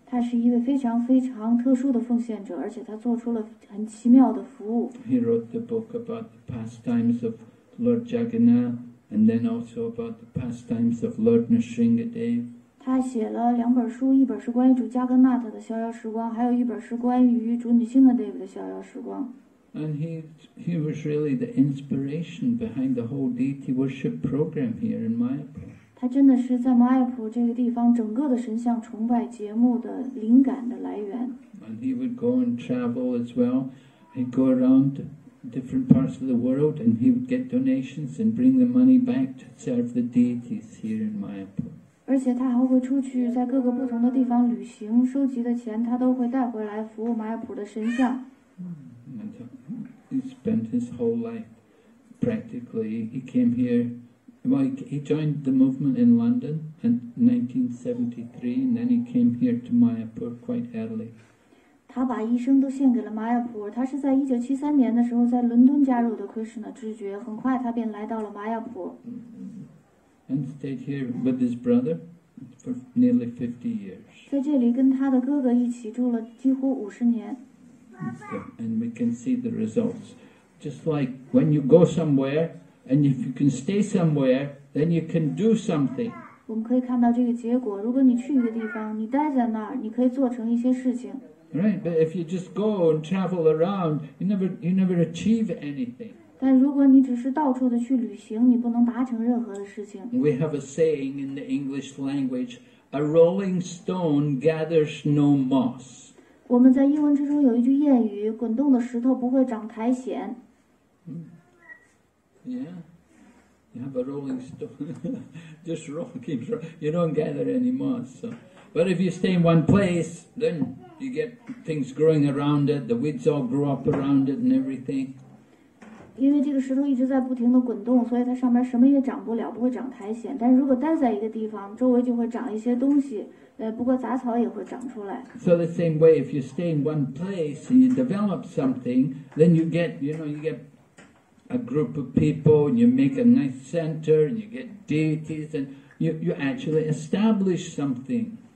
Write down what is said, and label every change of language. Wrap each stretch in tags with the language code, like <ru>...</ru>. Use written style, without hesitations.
<zh>他是一位非常非常特殊的奉献者，而且他做出了很奇妙的服务。</zh> <en>He wrote the book about the pastimes of Lord Jagannath, and then also about the pastimes of Lord Nrisingadev.</en> <zh>他写了两本书，一本是关于主加格纳特的逍遥时光，还有一本是关于主女星的 Dev 的逍遥时光。</zh> <en>And he was really the inspiration behind the whole deity worship program here in Mayapur.</en> <zh>他真的是在马亚普这个地方整个的神像崇拜节目的灵感的来源。</zh> <en>And he would go and travel as well. He'd go around different parts of the world and he would get donations and bring the money back to serve the deities here in Mayapur.</en> <zh>而且他还会出去在各个不同的地方旅行，收集的钱他都会带回来服务马亚普的神像。</zh> <en>He spent his whole life practically. He came here. Well, he joined the movement in London in 1973 and then he came here to Mayapur quite early.</en> <zh>他把一生都献给了马亚普，他是在1973年的时候在伦敦加入的 Krishna 知觉，很快他便来到了马亚普。</zh> <en>And stayed here with his brother for nearly 50 years.</en> <zh>在这里跟他的哥哥一起住了几乎五十年。</zh> <en>And we can see the results. Just like when you go somewhere, and if you can stay somewhere, then you can do something.</en> <zh>我们可以看到这个结果，如果你去一个地方，你待在那儿，你可以做成一些事情。</zh> <en>Right, but if you just go and travel around, you never achieve anything.</en> <zh>但如果你只是到处的去旅行，你不能达成任何的事情。</zh> <en>We have a saying in the English language: "A rolling stone gathers no moss."</en> <zh>我们在英文之中有一句谚语：“滚动的石头不会长苔藓。”</zh> <en>Yeah, you have a rolling stone, just rolling. You don't gather any moss. So, but if you stay in one place, then You get things growing around it, the weeds all grow up around it and everything.</en> <zh>因为这个石头一直在不停地滚动，所以它上面什么也长不了，不会长苔藓。但如果待在一个地方，周围就会长一些东西，不过杂草也会长出来。</zh> <en>So the same way, if you stay in one place and you develop something, then you get, you know, you get a group of people and you make a nice center and you get deities and you actually establish something.</en>